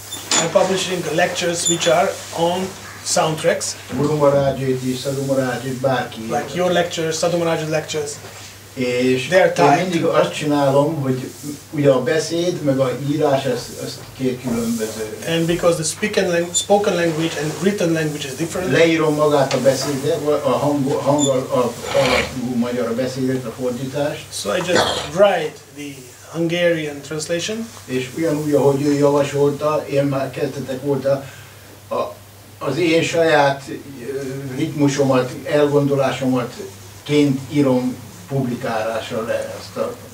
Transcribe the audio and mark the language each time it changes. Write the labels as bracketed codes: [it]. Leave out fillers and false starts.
[en] I'm publishing lectures which are on soundtracks. [hu] Guru Maharajét is, Sadhu Maharajét, bárki. [en] Like your lectures, Sadhu Maharajét lectures. They're tied. [hu] Én mindig azt csinálom, hogy ugye a beszéd, meg a írás, ez két különböző. [en] And because the spoken language and written language is different. [hu] Leírom magát a beszédet, a hangalapú magyar beszédet, a fordítást. [en] So I just write the Hungarian translation. [hu] És ugyanúgy, ahogy ő javasolta, én már kezdetek óta az én saját ritmusomat, elgondolásomat ként írom publikálásra le ezt a...